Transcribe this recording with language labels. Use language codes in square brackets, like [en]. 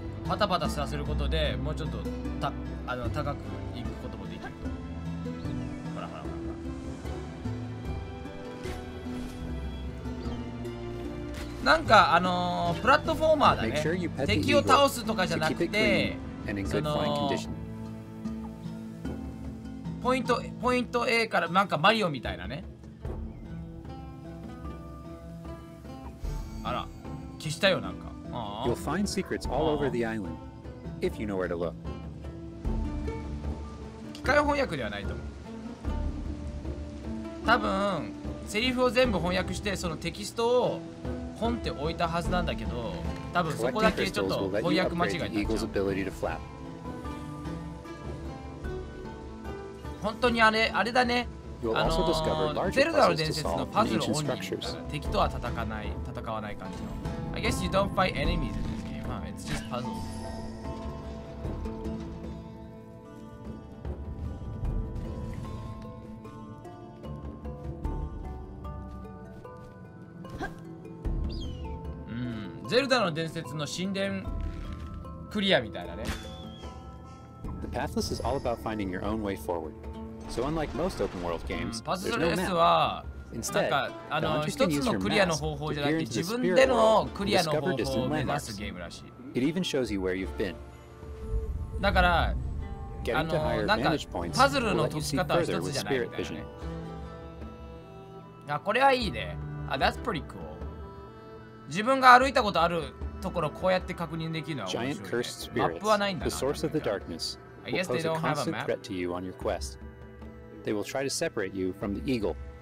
[en] Make sure you pet the eagle to keep it clean and in good flying condition. [ja] ポイント A からなんかマリオみたいなね。あら、消したよなんか。 [en] You'll find secrets all over the island if you know where to look. [ja] 機械翻訳ではないと思う。多分セリフを全部翻訳してそのテキストをポンって置いたはずなんだけど、多分そこだけちょっと翻訳間違いになっちゃう。本当にあれだね。ゼルダの伝説のパズルオンリー。敵とは戦わない感じの。 [en] I guess you don't fight enemies in this game. Huh? It's just puzzles. [ja] ゼルダの伝説の神殿クリアみたいなね。 [en] The Pathless is all about finding your own way forward. So unlike most open world games, there's no map. Instead, the hunter can use your mask to peer into the spirit world and discover distant landmarks. It even shows you where you've been. Getting to higher vantage points will let you see further with spirit vision. That's pretty cool. [ja] 自分が歩いたことあるところこうやって確認できるのは面白いね。マップはないんだな。 [en] The source of the darkness will pose a constant threat to you on your quest. They will try to separate you from the eagle.